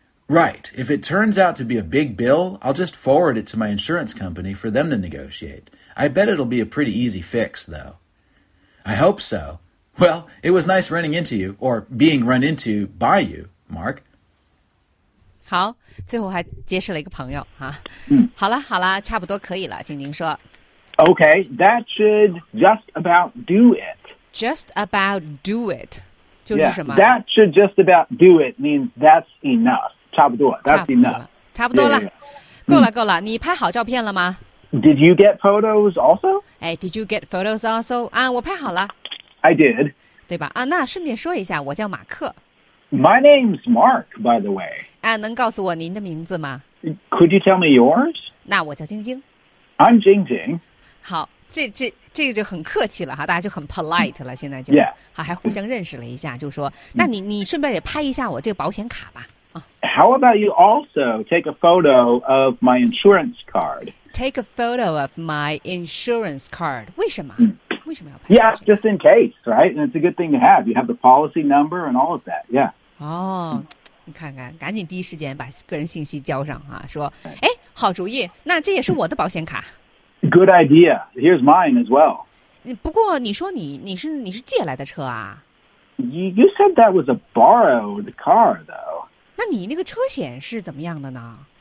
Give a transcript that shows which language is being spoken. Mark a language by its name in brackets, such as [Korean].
[English] Right. If it turns out to be a big bill, I'll just forward it to my insurance company for them to negotiate. I bet it'll be a pretty easy fix, though. I hope so. Well, it was nice running into you, or being run into by you, Mark. [Chinese] 好，最后还结识了一个朋友啊。好了好了，差不多可以了，静静说。 [English] Okay, that should just about do it. Just about do it. [Chinese] 就是什么 [English] yeah, that should just about do it means that's enough. [Chinese] 差不多 that's 差不多 [English] enough. [Chinese] 差不多了 yeah, yeah, yeah. 够了够了，你拍好照片了吗？ [English] Did you get photos also? Hey, did you get photos also? [Chinese] 啊，我拍好了。 [English] I did. [Chinese] 对吧？啊，那顺便说一下，我叫马克。 [English] My name's Mark, by the way. [Chinese] 啊，能告诉我您的名字吗？ [English] Could you tell me yours? [Chinese] 那我叫晶晶。 [English] I'm 晶晶。 [Chinese] 好，这个就很客气了哈，大家就很 polite 了，现在就。 [English] Yeah. [Chinese] 好，还互相认识了一下，就说，那你顺便也拍一下我这个保险卡吧。 [English] How about you also take a photo of my insurance card? Take a photo of my insurance card. [Chinese] 为什么？为什么要拍？ [English] Yeah, just in case, right? And it's a good thing to have. You have the policy number and all of that, yeah. [Chinese] 哦，你看看，赶紧第一时间把个人信息交上啊，说，哎，好主意，那这也是我的保险卡。 [English] Good idea. Here's mine as well. [Chinese] 不过你说你是借来的车啊？ [English] You said that was a borrowed car, though. [Chinese] 那你那个车险是怎么样的呢？